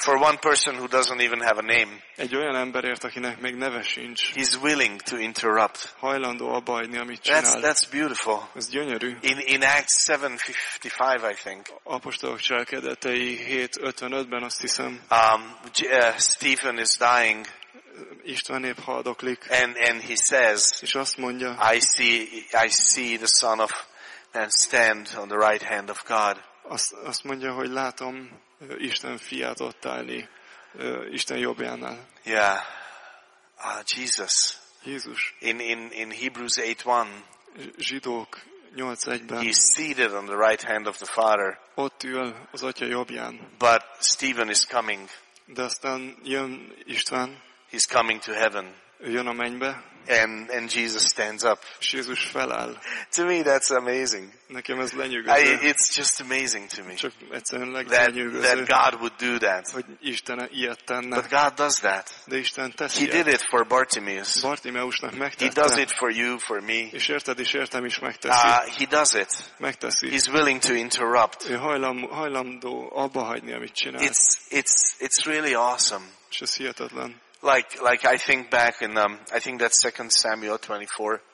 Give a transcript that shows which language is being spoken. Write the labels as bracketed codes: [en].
[en] For one person who doesn't even have a name. [hu] Egy olyan emberért, akinek még neve sincs. [en] He's willing to interrupt. [hu] Hajlandó abbahagyni, amit csinál. [en] That's beautiful. [hu] Ez gyönyörű. [en] In Acts 7:55, I think. [hu] Apostolok cselekedetei 7:55-ben azt hiszem. [en] Stephen is dying. [hu] István épp haldoklik. [en] And he says, [hu] és azt mondja, [en] I see the son of and stand on the right hand of God. [hu] Azt mondja, hogy látom Isten fiát ott állni Isten jobbjánál. [en] Yeah. Jesus. [hu] Jézus. [en] In Hebrews 8:1. [hu] Zsidók 8:1-ben. [en] He's seated on the right hand of the Father. [hu] Ott ül az Atya jobbján. [en] But Stephen is coming. [hu] De aztán jön István. [en] He's coming to heaven. [hu] Jön a mennybe. [en] And Jesus stands up. [hu] Jézus feláll. [en] To me, that's amazing. [hu] Nekem ez lenyűgöző. [en] It's just amazing to me. [hu] Csak egyszerűen lenyűgöző. [en] That God would do that. [hu] Hogy Isten ilyet tenne. [en] But God does that. [hu] De Isten tesz. [en] He did it for Bartimaeus. [hu] Bartimeusnak megtette. [en] He does it for you, for me. [hu] És érted is értem is megteszi. [en] He does it. [hu] Megteszi. [en] He's willing to interrupt. [hu] Ő hajlandó abbahagyni, amit csinál. [en] It's really awesome. [hu] És ez hihetetlen. [en] Like I think back in I think that's 2 Samuel 24.